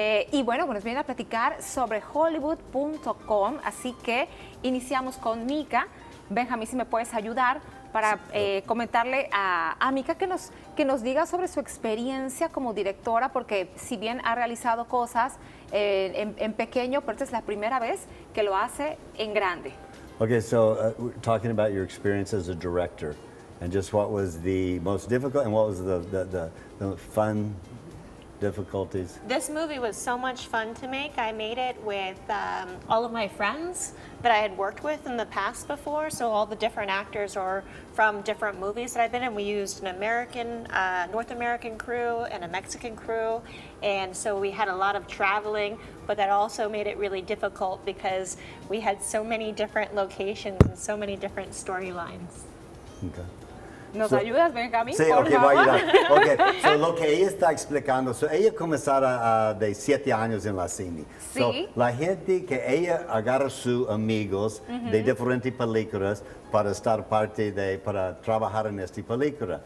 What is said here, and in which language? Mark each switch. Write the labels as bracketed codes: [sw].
[es] Y bueno, nos vienen a platicar sobre Hollywood.com, así que iniciamos con Mika. Benjamín, si me puedes ayudar para comentarle a Mika que nos diga sobre su experiencia como directora, porque si bien ha realizado cosas en pequeño, pero esta es la primera vez que lo hace en grande. [en] Okay, so talking about your experience as a director, and just what was the most difficult, and what was the fun difficulties? This movie was so much fun to make. I made it with all of my friends that I had worked with in the past before. So all the different actors are from different movies that I've been in. We used an American, North American crew and a Mexican crew. And so we had a lot of traveling, but that also made it really difficult because we had so many different locations and so many different storylines. [es] Okay. ¿Nos ayudas, Benjamín? Sí, ok, voy a ayudar. Ok, so, lo que ella está explicando, so, ella comenzara de 7 años en la cine. Sí. So, la gente que ella agarra sus amigos de diferentes películas para estar parte de, para trabajar en esta película.